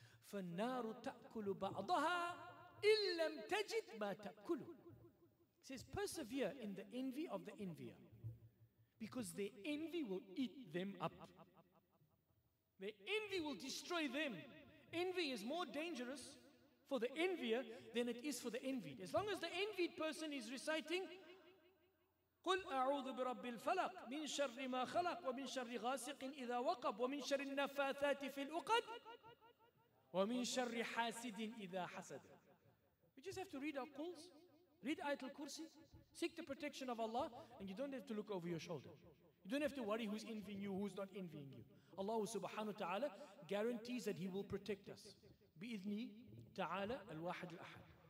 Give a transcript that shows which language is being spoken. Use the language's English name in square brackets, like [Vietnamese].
[Arabic] Fan-nar ta'kulu ba'daha in lam tajid ma ta'kulu." [English] He says, "Persevere in the envy of the envier, because their envy will eat them up. Their envy will destroy them. Envy is more dangerous for the envier than it is for the envied. As long as the envied person is reciting, [Arabic] قُلْ أَعُوذُ بِرَبِّ الْفَلَقِ مِنْ شَرِّ مَا خَلَقٍ وَمِنْ شَرِّ غَاسِقٍ إِذَا وَقَبٍ وَمِنْ شَرِّ النَّفَاثَاتِ فِي الْأُقَدِ وَمِن شَرِّ حَاسِدٍ إِذَا حَسَدٍ. [English] We just have to read our quls, read Ayatul Kursi, seek the protection of Allah, and you don't have to look over your shoulder. You don't have to worry who's envying you, who's not envying you. Allah subhanahu wa ta'ala guarantees that He will protect us. [Arabic] بِإِذْنِي تَعَالَى الْوَاحَدُ الْأَحَدُ.